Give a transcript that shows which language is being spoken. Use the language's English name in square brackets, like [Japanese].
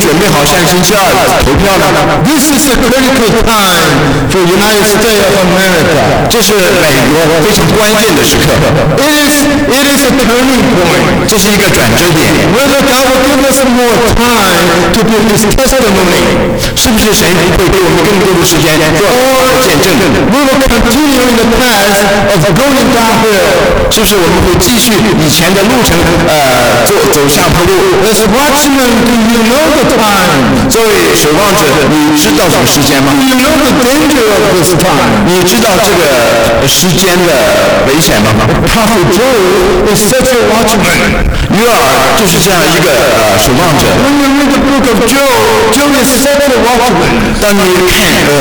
[Chinese] 作为一个守望者，你是不是已经准备好下星期二投票了？ [English] This is a critical time for the United States of America. [Chinese] 这是美国非常关键的时刻。 [English] It is a turning point. [Chinese] 这是一个转折点。 [English] Whether God will give us more time to do this testimony. [Chinese] 是不是神会给我们更多的时间做见证？ [English] We will continue in the path of going downhill. [Chinese] 是不是我们会继续以前的路程，走下坡路？ [English] As a watchman, do you know the time? [Chinese] 作为守望者，你知道什么时间吗？ [English] Do you know the danger of this time? [Chinese] 你知道这个时间的危险吗？ [English] Prophet Joel is such a watchman. [Chinese] 约珥就是这样一个守望者。 [English] When you read the book of Joel is such a watchman.